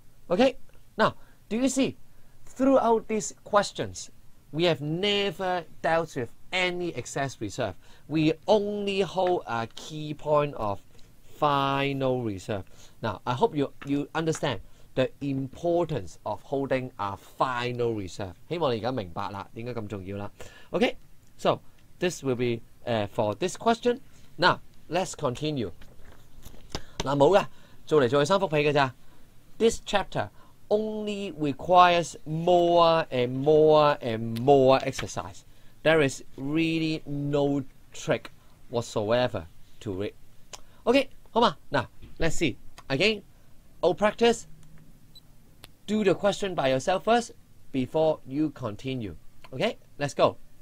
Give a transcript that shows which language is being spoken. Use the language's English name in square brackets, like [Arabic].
[English] Okay, now, do you see, throughout these questions, we have never dealt with any excess reserve. We only hold a key point of final reserve. Now, I hope you understand the importance of holding a final reserve. [Chinese] 希望你現在明白了為什麼這麼重要了。 [English] Okay, so this will be for this question. Now, let's continue. [Chinese] 沒有的，做來做去三幅皮而已。 [English] This chapter only requires more and more and more exercise. There is really no trick whatsoever to it. Okay, [Chinese] 好嘛？ [English] Now, let's see. Again, old practice. Do the question by yourself first before you continue. Okay, let's go.